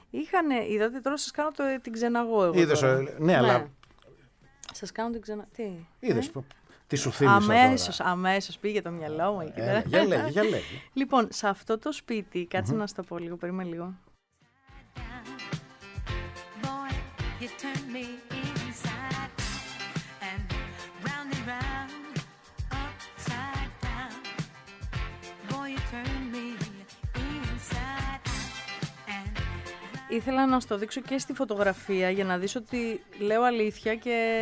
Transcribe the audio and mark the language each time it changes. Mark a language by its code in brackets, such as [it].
[el] Είχανε, είδατε, τώρα σας κάνω την ξεναγώ εγώ. Είδες, τώρα. Ναι, αλλά... Σας κάνω την ξεναγώ, τι. Είδες, τι σου θύμισε τώρα. Αμέσως πήγε το μυαλό μου. Για λέγε. Λοιπόν, σε αυτό το σπίτι, κάτσε να σου το πω λίγο, περίμενε λίγο. [en] You turn me inside and round and round, upside down. Boy, you turn me inside and round. [el] Ήθελα να σου το δείξω και στη φωτογραφία για να δεις ότι λέω αλήθεια και